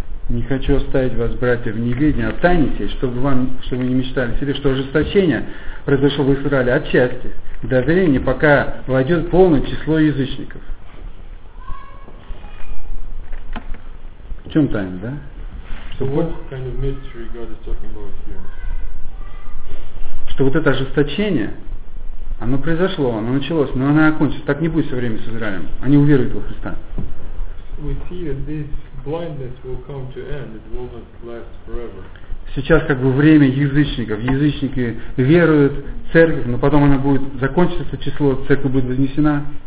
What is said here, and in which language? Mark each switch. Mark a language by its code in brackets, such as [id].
[ru] Не хочу оставить вас, братья, в неведении о тайне сей, чтобы вы не мечтали себе, что ожесточение произошло в Израиле отчасти. До времени, пока войдет полное число язычников. В чем тайна, да? [en] So what kind of mystery God is talking about here? [ru] Что вот это ожесточение, оно произошло, оно началось, но оно окончится. Так не будет все время с Израилем. Они уверуют во Христа. [en] We see that this blindness will come to end. It will not last forever. [ru] Сейчас как бы время язычников. Язычники веруют в церковь, но потом она будет закончиться, это число, церковь будет вознесена.